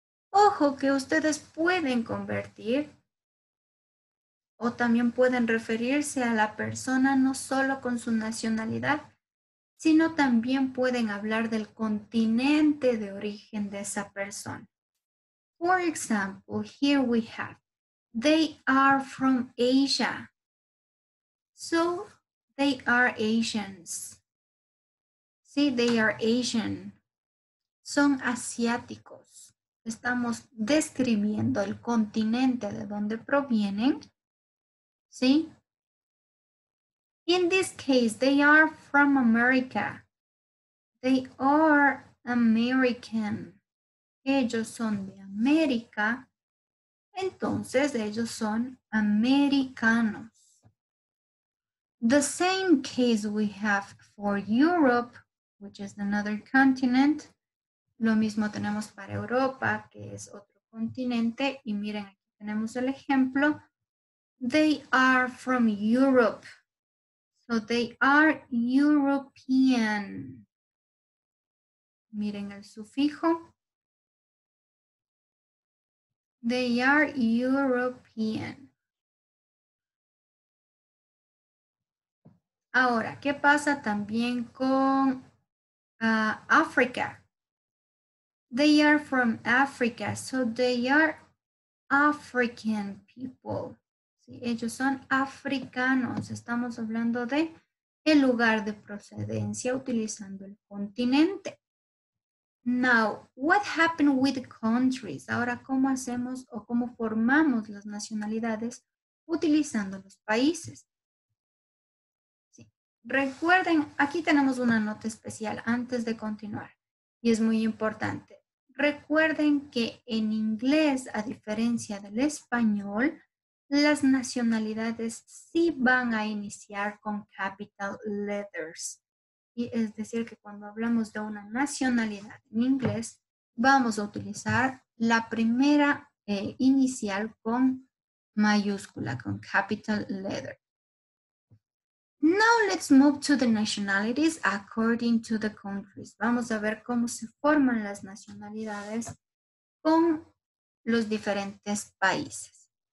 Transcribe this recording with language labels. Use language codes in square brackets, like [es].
[es] Ojo que ustedes pueden convertir o también pueden referirse a la persona no solo con su nacionalidad, sino también pueden hablar del continente de origen de esa persona. [en] For example, here we have: they are from Asia, so they are Asians. See, they are Asian. [es] Son asiáticos. Estamos describiendo el continente de donde provienen. ¿Sí? [en] In this case, they are from America. They are American. [es] Ellos son de América. Entonces, ellos son americanos. [en] The same case we have for Europe, which is another continent. [es] Lo mismo tenemos para Europa, que es otro continente. Y miren, aquí tenemos el ejemplo. [en] They are from Europe. So they are European. [es] Miren el sufijo. [en] They are European. [es] Ahora, ¿qué pasa también con Africa? [en] They are from Africa, so they are African people. [es] Sí, ellos son africanos. Estamos hablando de el lugar de procedencia utilizando el continente. [en] Now, what happened with countries? [es] Ahora, ¿cómo hacemos o cómo formamos las nacionalidades utilizando los países? Sí. Recuerden, aquí tenemos una nota especial antes de continuar y es muy importante. Recuerden que en inglés, a diferencia del español, las nacionalidades sí van a iniciar con capital letters. Y es decir, que cuando hablamos de una nacionalidad en inglés, vamos a utilizar la primera inicial con mayúscula, con capital letter. [en] Now let's move to the nationalities according to the countries. [es] Vamos a ver cómo se forman las nacionalidades con los diferentes países.